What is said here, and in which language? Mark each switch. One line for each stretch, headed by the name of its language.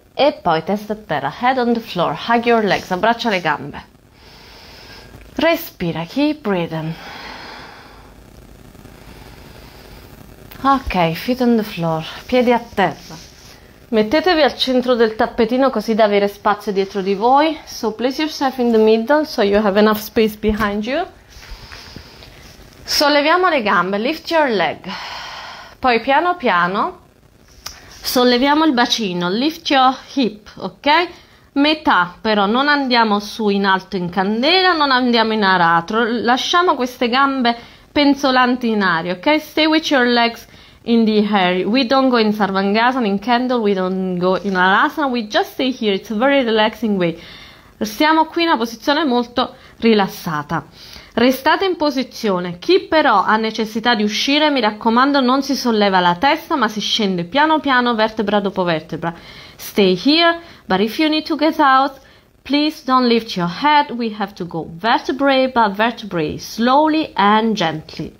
Italian: E poi testa a terra,
English: head on the floor. Hug your legs,
Italian: abbraccia le gambe. Respira,
English: keep breathing. Ok, feet on the floor,
Italian: piedi a terra. Mettetevi al centro del tappetino così da avere spazio dietro di voi.
English: So place yourself in the middle so you have enough space behind you.
Italian: Solleviamo le gambe,
English: lift your leg.
Italian: Poi piano piano solleviamo il bacino,
English: lift your hip, ok?
Italian: Metà, però non andiamo su in alto in candela, non andiamo in aratro, lasciamo queste gambe penzolanti in aria, ok?
English: Stay with your legs in the air. We don't go in Sarvangasana, in candle, we don't go in Alasana, we just stay here, it's a very relaxing way.
Italian: Stiamo qui in una posizione molto rilassata. Restate in posizione. Chi però ha necessità di uscire, mi raccomando, non si solleva la testa, ma si scende piano piano, vertebra dopo vertebra.
English: Stay here, but if you need to get out, please don't lift your head. We have to go vertebrae by vertebrae, slowly and gently.